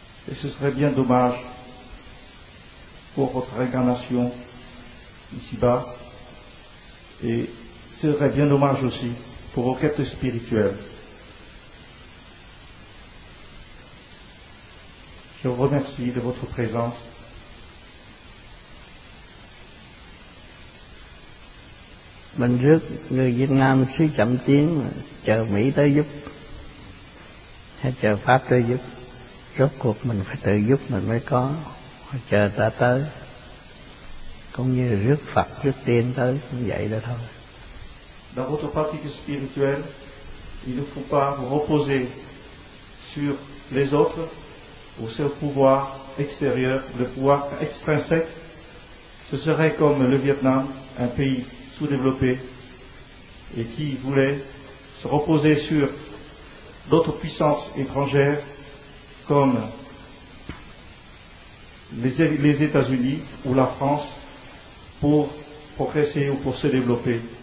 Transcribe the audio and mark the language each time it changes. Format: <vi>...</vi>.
<fr>Et ce serait bien dommage pour votre réincarnation ici-bas, et ce serait bien dommage aussi pour vos quêtes spirituelles. Je vous remercie de votre présence.</fr> <vi>Mình rước người Việt Nam suy chậm tiến, chờ Mỹ tới giúp, hay chờ Pháp tới giúp. Rốt cuộc mình phải tự giúp mình mới có, chờ ta tới. Cũng như rước Phật, rước tiên tới, cũng vậy đó thôi.</vi> <fr>Dans votre pratique spirituelle, il ne faut pas vous reposer sur les autres, ou ce pouvoir extérieur, le pouvoir extrinsèque, ce serait comme le Vietnam, un pays sous-développé, et qui voulait se reposer sur d'autres puissances étrangères, comme les États-Unis ou la France, pour progresser ou pour se développer.</fr>